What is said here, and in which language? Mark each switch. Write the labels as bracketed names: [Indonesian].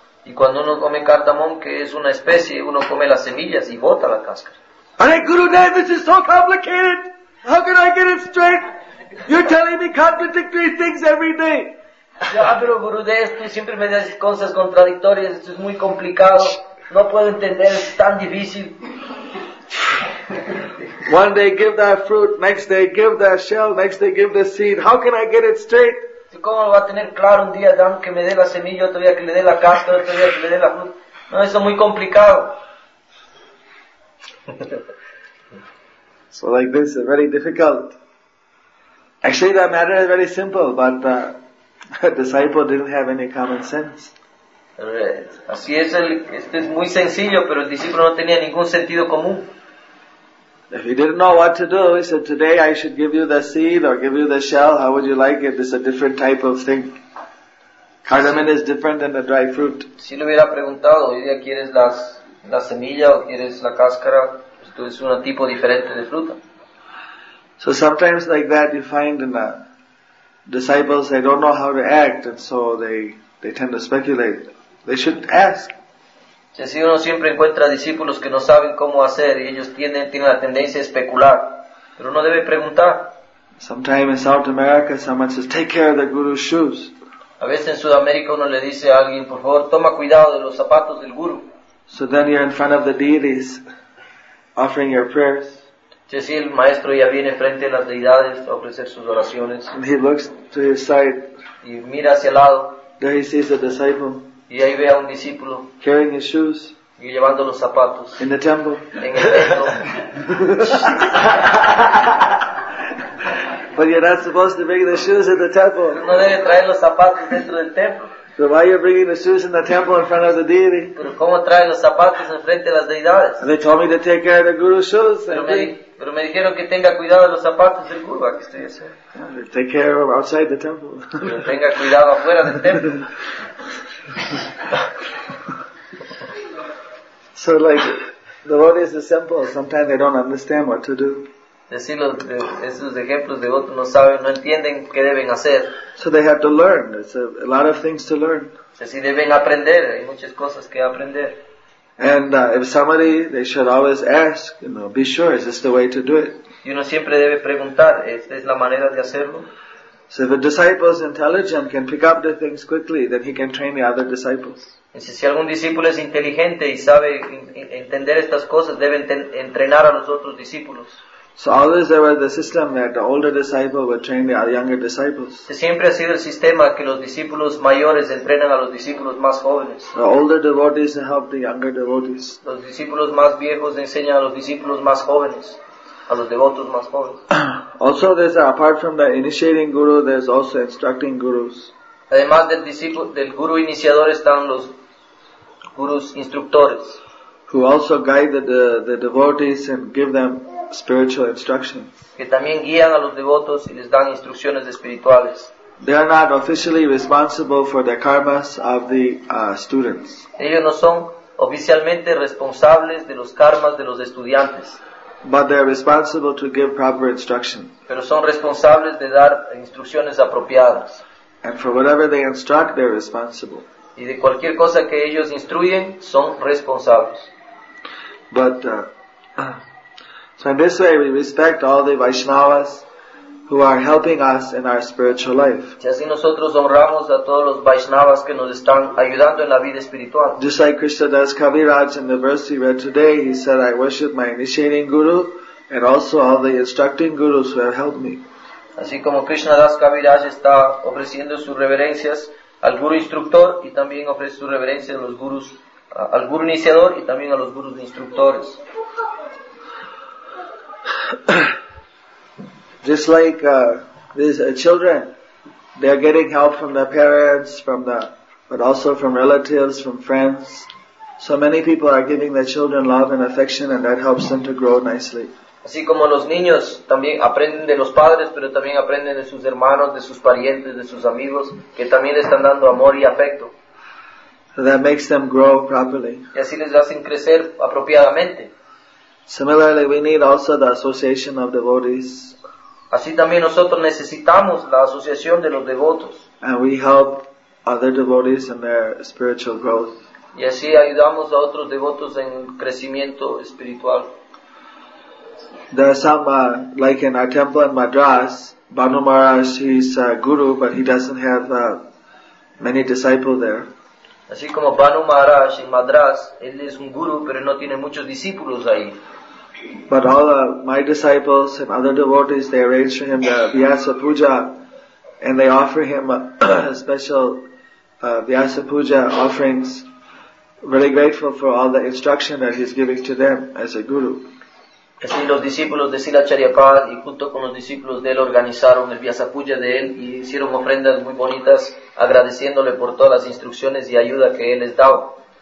[Spanish] Y cuando uno come cardamom, que es una especie, uno come las semillas y bota la cáscara. [English] Hare Guru Dev, this is so complicated. How can I get it straight? You're telling me contradictory things every day. [Spanish] Ya, pero Gurudev, tú siempre me dices cosas contradictorias. Esto es muy complicado. No puedo entender. Es tan difícil. [English] One day give that fruit. Next day give that shell. Next day give the seed. How can I get it straight? [Spanish] ¿Cómo lo va a tener claro un día, Dan, que me dé la semilla, otro día que le dé la cáscara, otro día que le dé la fruta? No, eso es muy complicado. [English] So like this is very difficult. Actually, the matter is very simple, but the disciple didn't have any common sense. [Spanish] Así es, este es muy sencillo, pero el discípulo no tenía ningún sentido común. [English] If he didn't know what to do, he said, today I should give you the seed or give you the shell. How would you like it? It's a different type of thing. Cardamom is different than the dry fruit. [Spanish] Si le hubiera preguntado, diría, ¿quieres la semilla o quieres la cáscara? Esto es un tipo diferente de fruta. [English] So sometimes like that you find in the disciples, they don't know how to act, and so they tend to speculate. They should ask. [Spanish] Si uno siempre encuentra discípulos que no saben cómo hacer y ellos tienen la tendencia a especular, pero uno debe preguntar. [English] Sometimes in South America someone says, take care of the guru's shoes. [Spanish] A veces en Sudamérica uno le dice a alguien, por favor, toma cuidado de los zapatos del guru. [English] So then you're in front of the deities, offering your prayers. [Spanish] Si sí, el maestro ya viene frente a las deidades a ofrecer sus oraciones. [English] And he looks to his side. [Spanish] Y mira hacia el lado. [English] There he sees a disciple. [Spanish] Y ahí ve a un discípulo. [English] Carrying his shoes. [Spanish] Y llevando los zapatos. [English] In the temple. [Spanish] En el templo. [English] But you're not supposed to bring the shoes in the temple. [Spanish] No debe traer los zapatos dentro del templo. [English] So why are you bringing the shoes in the temple in front of the deity? [Spanish] Pero cómo trae los zapatos en frente de las deidades. [English] And they told me to take care of the guru's shoes. [Spanish] Pero me dijeron que tenga cuidado de los zapatos del guru. Aquí estoy haciendo. [English] Take care of outside the temple. [Spanish] Pero tenga cuidado afuera del templo. [English] So like, the devotees is the simple. Sometimes they don't understand what to do. [Spanish] Decir los esos ejemplos de otros no saben, no entienden qué deben hacer. [English] So they have to learn. It's a lot of things to learn. [Spanish] Decir deben aprender. Hay muchas cosas que aprender. [English] And if somebody, they should always ask. You know, be sure. Is this the way to do it? [Spanish] Y uno siempre debe preguntar. ¿Esta es la manera de hacerlo? [English] So if a disciple is intelligent, can pick up the things quickly, then he can train the other disciples. [Spanish] Entonces, si algún discípulo es inteligente y sabe entender estas cosas, debe entrenar a los otros discípulos. [English] So always there was the system that the older disciple would train the younger disciples. [Spanish] Siempre ha sido el sistema que los discípulos mayores entrenan a los discípulos más jóvenes. [English] The older devotees help the younger devotees. [Spanish] Los discípulos más viejos enseñan a los discípulos más jóvenes, a los devotos más jóvenes. [English] Also, there's apart from the initiating guru, there's also instructing gurus. [Spanish] Además del discípulo, del guru iniciador están los gurus instructores. [English] Who also guide the devotees and give them spiritual instruction. [Spanish] Que también guían a los devotos y les dan instrucciones espirituales. [English] They are not officially responsible for the karmas of the students. [Spanish] Ellos no son oficialmente responsables de los karmas de los estudiantes. [English] But they are responsible to give proper instruction. [Spanish] Pero son responsables de dar instrucciones apropiadas. [English] And for whatever they instruct, they are responsible. [Spanish] Y de cualquier cosa que ellos instruyen, son responsables. [English] But so in this way we respect all the Vaishnavas who are helping us in our spiritual life. [Spanish] Y así nosotros honramos a todos los Vaishnavas que nos están ayudando en la vida espiritual. [English] Just like Krishna Das Kaviraj in the verse he read today, he said, I worship my initiating guru and also all the instructing gurus who have helped me. [Spanish] Así como Krishna Das Kaviraj está ofreciendo sus reverencias al guru instructor y también ofrece su reverencia a los gurus, al guru iniciador y también a los gurus instructores. [English] Just like these children, they are getting help from their parents, from the, but also from relatives, from friends. So many people are giving their children love and affection, and that helps them to grow nicely. [Spanish] Así como los niños también aprenden de los padres, pero también aprenden de sus hermanos, de sus parientes, de sus amigos, que también les están dando amor y afecto. [English] So that makes them grow properly. [Spanish] Y así les hacen crecer apropiadamente. [English] Similarly, we need also the association of devotees. [Spanish] Así también nosotros necesitamos la asociación de los devotos. [English] And we help other devotees in their spiritual growth. [Spanish] Y así ayudamos a otros devotos en crecimiento espiritual. [English] There are some, like in our temple in Madras, Banu Maharaj, he's a guru, but he doesn't have many disciples there. [Spanish] Así como Banu Maharaj en Madras, él es un guru, pero no tiene muchos discípulos ahí. [English] But all my disciples and other devotees, they arrange for him the Vyasa Puja, and they offer him a special Vyasa Puja offerings, really grateful for all the instruction that he's giving to them as a guru. [Spanish] Así los discípulos de Sila Charyapad y junto con los discípulos de él organizaron el Vyasa Puja de él y hicieron ofrendas muy bonitas agradeciéndole por todas las instrucciones y ayuda que él les daba.